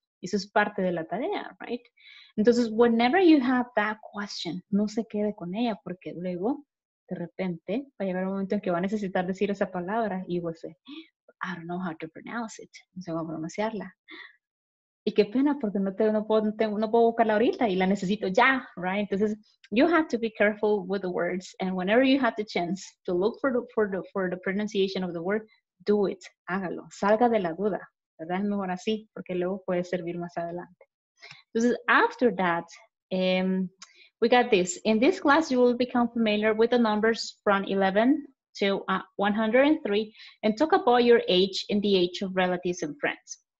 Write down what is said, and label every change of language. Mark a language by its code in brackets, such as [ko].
[es] Eso es parte de la tarea, right? [en] Entonces, whenever you have that question, [es] no se quede con ella porque luego, de repente, va a llegar un momento en que va a necesitar decir esa palabra y va a decir, [en] I don't know how to pronounce it. [es] No sé cómo pronunciarla. Y qué pena, porque no puedo buscarla ahorita y la necesito ya, right? [en] Entonces, you have to be careful with the words. And whenever you have the chance to look for the pronunciation of the word, do it. [es] Hágalo. Salga de la duda, ¿verdad? Es mejor así, porque luego puede servir más adelante. [en] Entonces, after that, we got this. In this class, you will become familiar with the numbers from 11 to 103 and talk about your age and the age of relatives and friends.